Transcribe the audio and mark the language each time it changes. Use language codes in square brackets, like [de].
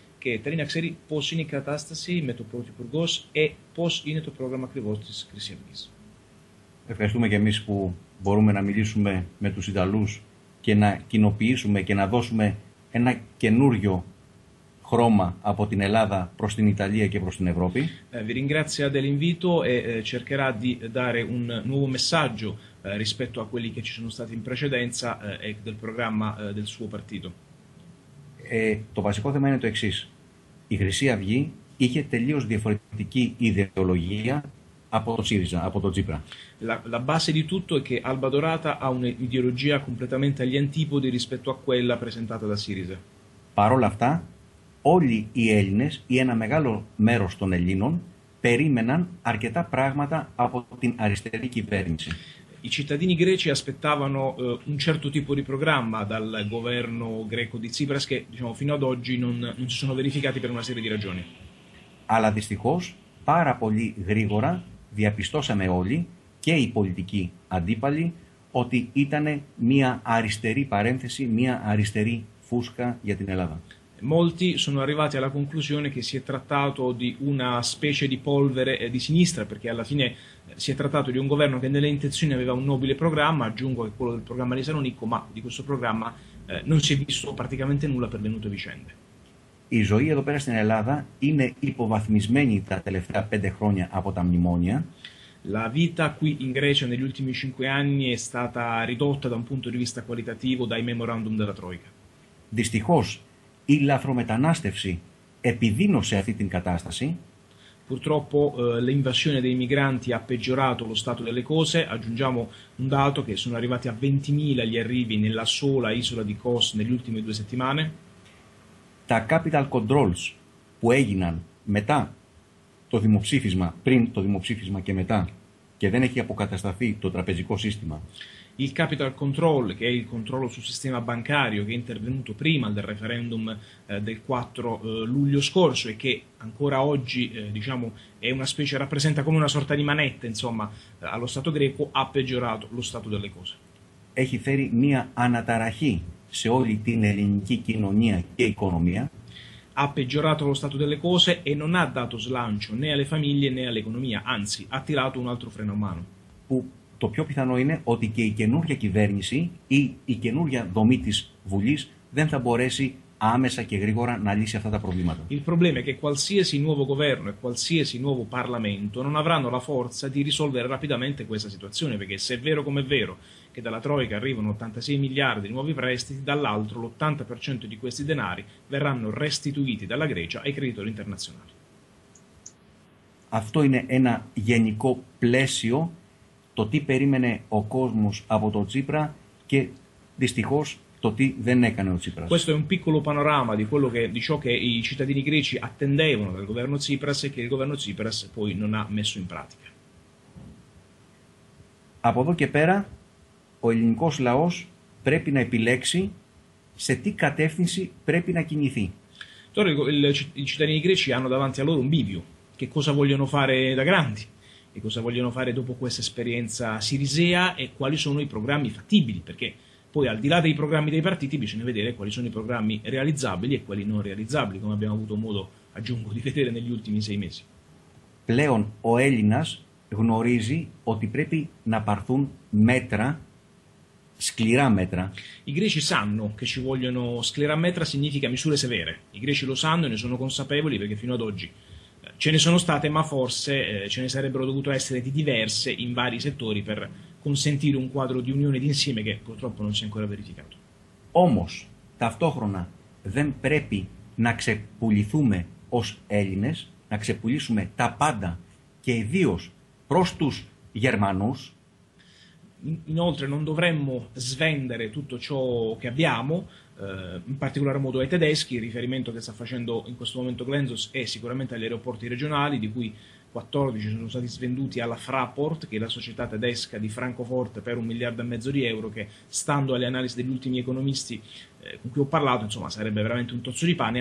[el] Che τρίνα ξέρει πώ είναι η κατάσταση με το πρωθυπουργό και πώ είναι το πρόγραμμα ακριβώ τη Χρυσή Αυγή. Ευχαριστούμε και εμείς που μπορούμε να μιλήσουμε με τους Ιταλούς και να κοινοποιήσουμε και να δώσουμε ένα καινούριο χρώμα από την Ελλάδα προς την Ιταλία και προς την Ευρώπη. [it] Vi ringrazia dell'invito e cercherà di dare un nuovo messaggio rispetto a quelli che ci sono stati in precedenza e del programma del suo partito. [el] Το βασικό θέμα είναι το εξής. Η Χρυσή Αυγή είχε τελείως διαφορετική ιδεολογία από το ΣΥΡΙΖΑ, από το Τσίπρα. [it] La base di tutto è che Alba Dorata ha un'ideologia completamente agli antipodi rispetto a quella presentata da Siriza. [el] Παρόλα αυτά, όλοι οι Έλληνες ή ένα μεγάλο μέρος των Ελλήνων περίμεναν αρκετά πράγματα από την αριστερή κυβέρνηση. [it] I cittadini greci aspettavano un certo tipo di programma dal governo greco di Tsipras che, diciamo, fino ad oggi non si sono verificati per una serie di ragioni. [el] Αλλά δυστυχώς πάρα πολύ γρήγορα διαπιστώσαμε όλοι και οι πολιτικοί αντίπαλοι ότι ήταν μια αριστερή παρένθεση, μια αριστερή φούσκα για την Ελλάδα. [it] Molti sono arrivati alla conclusione che si è trattato di una specie di polvere di sinistra, perché alla fine si è trattato di un governo che nelle intenzioni aveva un nobile programma, aggiungo che quello del programma di Salonicco, ma di questo programma non si è visto praticamente nulla per venute vicende. [el] Η ζωή εδώ πέρα στην Ελλάδα είναι υποβαθμισμένη τα τελευταία 5 χρόνια από τα μνημόνια. [it] La vita qui in Grecia negli ultimi 5 anni è stata ridotta da un punto di vista qualitativo dai memorandum della Troica. [el] Δυστυχώς η λαθρομετανάστευση επιδείνωσε αυτή την κατάσταση. [it] Purtroppo, l'invasione dei migranti ha peggiorato lo stato delle cose. Aggiungiamo un dato che sono arrivati a 20.000 gli arrivi nella sola isola di Kos nelle ultime 2 settimane. [el] Τα capital controls που έγιναν μετά το δημοψήφισμα, πριν το δημοψήφισμα και μετά, και δεν έχει αποκατασταθεί το τραπεζικό σύστημα. [it] Il capital control, che è il controllo sul sistema bancario, che è intervenuto prima del referendum del 4 luglio scorso e che ancora oggi diciamo, è una specie, rappresenta come una sorta di manette, insomma, allo Stato greco, ha peggiorato lo stato delle cose. [el] Έχει φέρει μια αναταραχή σε όλη την ελληνική κοινωνία και οικονομία. [it] Ha peggiorato lo stato delle cose e non ha dato slancio né alle famiglie né all'economia, anzi, ha tirato un altro freno a mano. [el] Που το πιο πιθανό είναι ότι και η καινούργια κυβέρνηση ή η καινούργια δομή της Βουλής δεν θα μπορέσει άμεσα και γρήγορα να λύσει αυτά τα προβλήματα. [it] Il problema è che qualsiasi nuovo governo e qualsiasi nuovo Parlamento non avranno la forza di risolvere rapidamente questa situazione, perché se è vero come è vero che dalla Troica arrivano 86 miliardi di nuovi prestiti, dall'altro l'80% di questi denari verranno restituiti dalla Grecia ai creditori internazionali. [el] Αυτό είναι ένα γενικό πλαίσιο, το τι περίμενε ο κόσμος από τον Τσίπρα και δυστυχώς το τι δεν έκανε ο Τσίπρας. [it] Questo è un piccolo panorama di quello che, di ciò che i cittadini greci attendevano dal governo Tsipras e che il governo Tsipras poi non ha messo in pratica. [el] Από εδώ και πέρα, ο ελληνικός λαός πρέπει να επιλέξει σε τι κατεύθυνση πρέπει να κινηθεί. Τώρα [it] i cittadini greci hanno davanti a loro un bivio. Che cosa vogliono fare da grandi? Che cosa vogliono fare dopo questa esperienza sirisea e quali sono i programmi fattibili? Perché poi al di là dei programmi dei partiti bisogna vedere quali sono i programmi realizzabili e quali non realizzabili, come abbiamo avuto modo, aggiungo, di vedere negli ultimi sei mesi. [el] Πλέον ο Έλληνας γνωρίζει ότι πρέπει να πάρθουν μέτρα, σκληρά μέτρα. [it] I greci sanno che ci vogliono [el] σκληρά μέτρα, [it] significa misure severe. I greci lo sanno e ne sono consapevoli perché fino ad oggi ce ne sono state, ma forse ce ne sarebbero dovuto essere di diverse in vari settori per consentire un quadro di unione d'insieme che purtroppo non si è ancora verificato. [el] Όμως, ταυτόχρονα, δεν πρέπει να ξεπουληθούμε ως Έλληνες, να ξεπουλήσουμε τα πάντα και ιδίως προς τους Γερμανούς. [it] Inoltre, non dovremmo svendere tutto ciò che abbiamo, in particolar modo ai tedeschi. Il riferimento che sta facendo in questo momento Glenzos è sicuramente agli aeroporti regionali, di cui 14 sono stati svenduti alla Fraport, che è la società tedesca di Francoforte, per 1,5 miliardi di euro, che stando alle analisi degli ultimi economisti con cui ho parlato, insomma, sarebbe veramente un tozzo di pane.